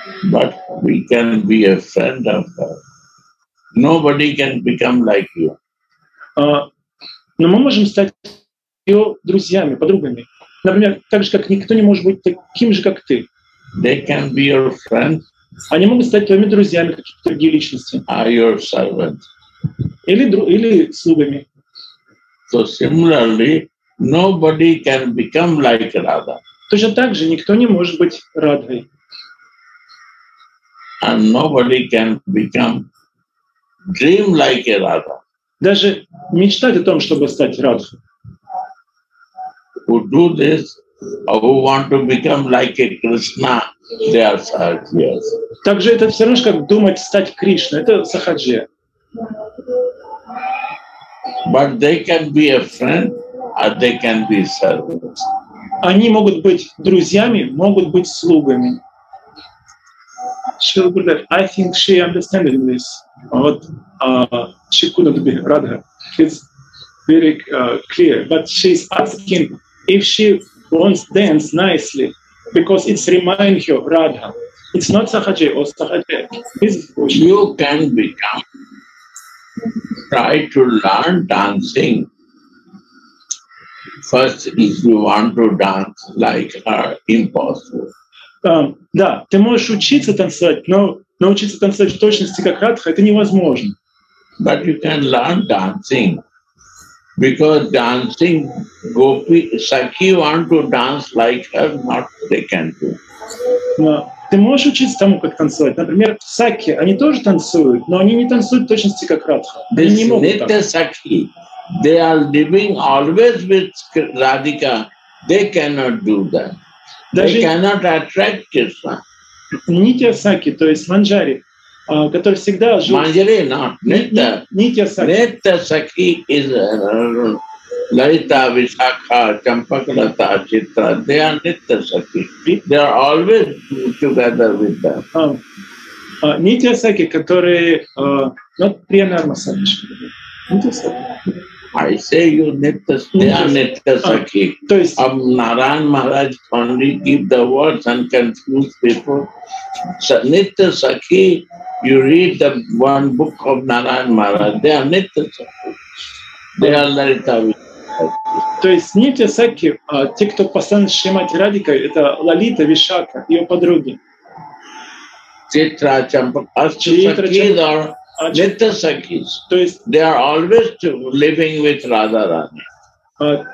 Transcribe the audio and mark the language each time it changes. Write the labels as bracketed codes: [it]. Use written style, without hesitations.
[en] But we can be a friend of her. Nobody can become like you. [ru] Но мы можем стать ее друзьями, подругами. Например, так же, как никто не может быть таким же, как ты. [en] They can be your friend. [ru] Они могут стать твоими друзьями, какие-то другие личности. [en] Are your servant. [ru] Или слугами. [en] So similarly, nobody can become like Radha. [ru] Точно так же никто не может быть Радхой. [en] And nobody can become dream like a Radha. [ru] Даже мечтать о том, чтобы стать Радхой. [en] Who do this, or who want to become like a Krishna, they are sahajiyas. [ru] Также это все равно, как думать стать Кришной. Это сахаджия. [en] But they can be a friend they can be servants. [ru] Они могут быть друзьями, могут быть слугами. [en] Шрила Гурудев, I think she understands this. Вот, she couldn't be Radha. It's very clear. But she's asking if she wants to dance nicely, because it's reminding her Radha. It's not Sahaja or Sahaja. You can become, try to learn dancing. First, if you want to dance like her, impossible. [ru] Да, ты можешь учиться танцевать, но научиться танцевать в точности как Радха — это невозможно. [en] But you can learn dancing, because dancing Gopi Sakhi want to dance like her, not they can do. [ru] Да, ты можешь учиться тому, как танцевать. Например, Сакхи, они тоже танцуют, но они не танцуют в точности как Радха. Они не могут так. [en] Little Sakhi, they are living always with Radhika. They cannot do that. They cannot attract Krishna. [ru] Nitya Sakhi, то есть Манджари, который всегда жил... [en] Манджари, not Nitya. Nitya Sakhi. Nitya Sakhi is Lalita, Vishakha, Champakalata, Chitra. They are Nitya Sakhi. They are always together with them. Nitya Sakhi, [ru] который... [en] not Priyanarma Sakhi. Nitya Sakhi. I say you Nitya, they are Nitya Sakhi. [ru] То есть, [en] Narayan Maharaj only give the words and confuse people. So, Nitya Sakhi, you read the one book of Narayan Maharaj, they are Nitya Sakhi. They are Lalita Vishakha. [ru] То есть Нитя Сакхи, те, кто постоянно с Шримати Радикой, это Лалита Вишака, ее подруги. Читра Чампакасту Nitya Sakhis, то есть, [en] they are always living with Radha Rani.